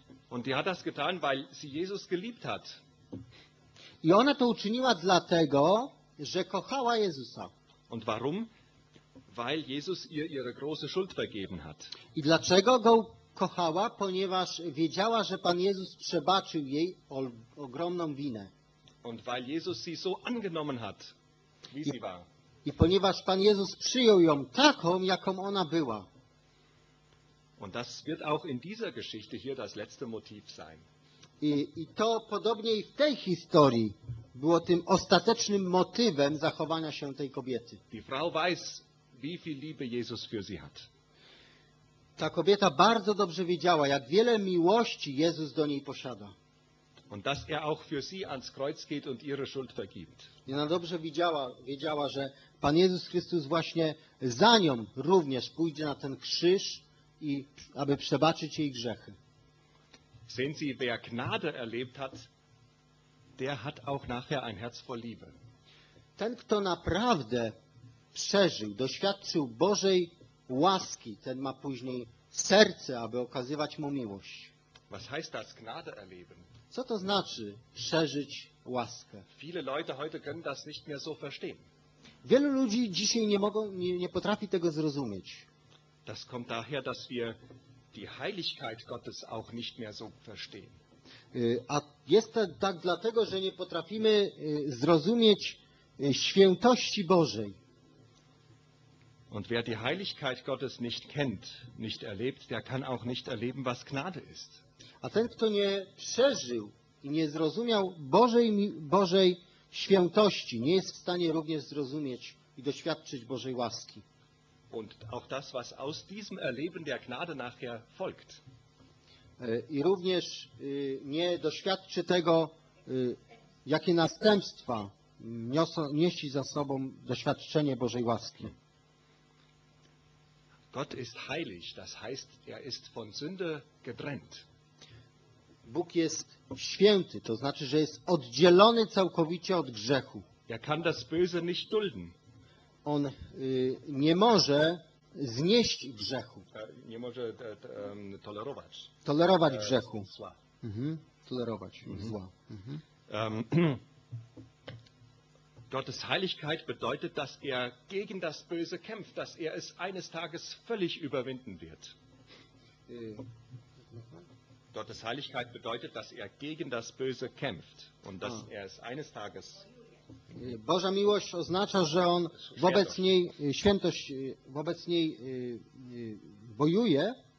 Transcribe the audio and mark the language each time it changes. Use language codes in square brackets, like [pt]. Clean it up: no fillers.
[de] Und die hat das getan, weil sie Jesus geliebt hat. [pl] I ona to uczyniła dlatego, że kochała Jezusa. [de] Und warum? Weil Jesus ihr ihre große Schuld vergeben hat. [pl] I dlaczego go kochała, ponieważ wiedziała, że Pan Jezus przebaczył jej ogromną winę. [de] Und weil Jesus sie so angenommen hat, wie sie war. [pl] I ponieważ Pan Jezus przyjął ją taką, jaką ona była. [de] Und das wird auch in dieser Geschichte hier das letzte Motiv sein. [pl] I to podobnie i w tej historii było tym ostatecznym motywem zachowania się tej kobiety. [de] Die Frau weiß, wie viel Liebe Jesus für sie hat. [pl] Ta kobieta bardzo dobrze wiedziała, jak wiele miłości Jezus do niej posiada. [de] Und dass er auch für sie ans Kreuz geht und ihre Schuld vergibt. [pl] I ona dobrze wiedziała, że Pan Jezus Chrystus właśnie za nią również pójdzie na ten krzyż i aby przebaczyć jej grzechy. [de] Sehen Sie, wer Gnade erlebt hat, der hat auch nachher ein Herz voll Liebe. [pl] Ten, kto naprawdę przeżył, doświadczył Bożej łaski, ten ma później serce, aby okazywać mu miłość. [de] Was heißt das, Gnade erleben? [pl] Co to znaczy przeżyć łaskę? [de] Viele Leute heute können das nicht mehr so verstehen. [pl] Wielu ludzi dzisiaj nie potrafi tego zrozumieć. [de] Das kommt daher, dass wir die Heiligkeit Gottes auch nicht mehr so verstehen. [pl] A jest to tak dlatego, że nie potrafimy zrozumieć świętości Bożej. [de] Und wer die Heiligkeit Gottes nicht kennt, nicht erlebt, der kann auch nicht erleben, was Gnade ist. [pl] A ten, kto nie przeżył i nie zrozumiał Bożej świętości, nie jest w stanie również zrozumieć i doświadczyć Bożej łaski. [de] Und auch das, was aus diesem Erleben der Gnade nachher folgt. [pl] I również nie doświadczy tego, jakie następstwa niesie za sobą doświadczenie Bożej łaski. [de] Gott ist heilig, das heißt, er ist von Sünde getrennt. [pl] Bóg jest święty, to znaczy, że jest oddzielony całkowicie od grzechu. [de] Er kann das Böse nicht dulden. [pl] On nie może znieść grzechu. Nie może tolerować. Tolerować grzechu. Zła. Tolerować zła. [de] Gottes Heiligkeit bedeutet, dass er gegen das Böse kämpft, dass er es eines Tages völlig überwinden wird. Gottes Heiligkeit bedeutet, dass er gegen das Böse kämpft und dass er es eines Tages. [pl] Boża miłość oznacza, że on wobec niej, świętość wobec niej bojuje.